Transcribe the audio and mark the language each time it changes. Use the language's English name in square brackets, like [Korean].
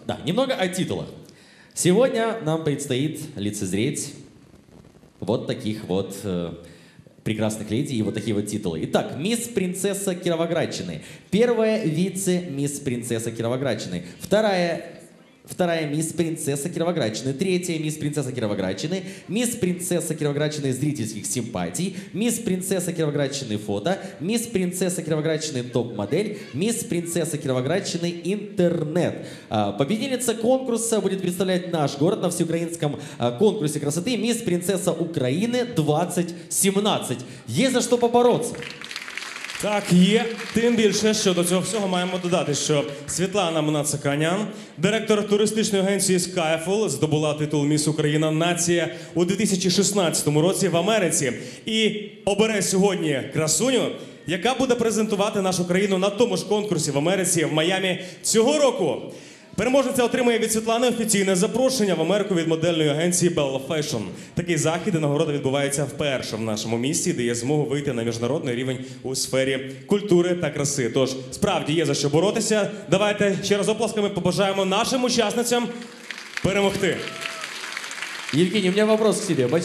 [Russian] Да, немного о титулах. [Ukrainian] Сьогодні нам предстоїть лицезреть [Russian] вот таких вот [Ukrainian] прекрасних леді і вот такі вот титули. І так, міс принцеса Кіровоградщини. Перша віце-міс принцеса Кіровоградщини. Вторая [Russian] Вторая мисс принцесса Кировоградчины. Третья мисс принцесса Кировоградчины. Мисс принцесса Кировоградчины зрительских симпатий. Мисс принцесса Кировоградчины фото. Мисс принцесса Кировоградчины топ-модель. Мисс принцесса Кировоградчины интернет. Победительница конкурса будет представлять наш город на всеукраинском конкурсе красоты. Мисс принцесса Украины 2017. Есть за что побороться. [Ukrainian] Так, є. Тим більше, що до цього всього маємо додати, що Світлана Мнацаканян, директор туристичної агенції Skyfall, здобула титул «Міс Україна нація» у 2016 році в Америці. І обере сьогодні красуню, яка буде презентувати нашу країну на тому ж конкурсі в Америці, в Майамі цього року. Переможниця отримує від Світлани офіційне запрошення в Америку від модельної агенції Bella Fashion. Такий захід і нагорода відбувається вперше в нашому місті, дає змогу вийти на міжнародний рівень у сфері культури та краси. Тож, справді є за що боротися. Давайте ще раз оплесками побажаємо нашим учасницям перемогти. Євгеній, у мене питання до тебе.